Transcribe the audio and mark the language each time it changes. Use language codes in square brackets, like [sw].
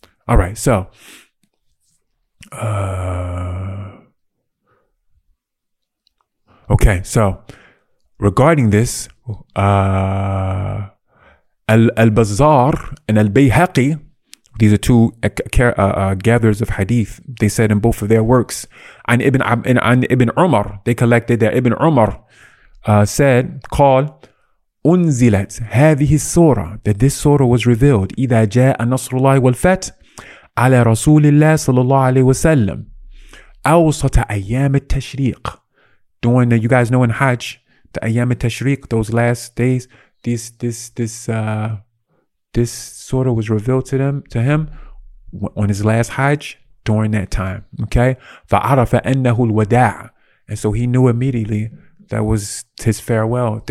[en] All right, so okay, so regarding this, Al-Bazzar and Al-Bayhaqi, these are two gatherers of hadith. They said in both of their works, and Ibn Umar, they collected that Ibn Umar said, "Call [ar] أنزلت هذه السورة, [en] that this surah was revealed, [ar] إذا جاء نصر الله والفتح على رسول الله صلى الله عليه وسلم أوسط أيام التشريق. [en] During the, you guys know in Hajj, the أيام التشريق, those last days, this surah was revealed to them, to him, on his last Hajj, during that time. Okay, [ar] فعرف أنه الوداع, [en] and so he knew immediately that was his farewell.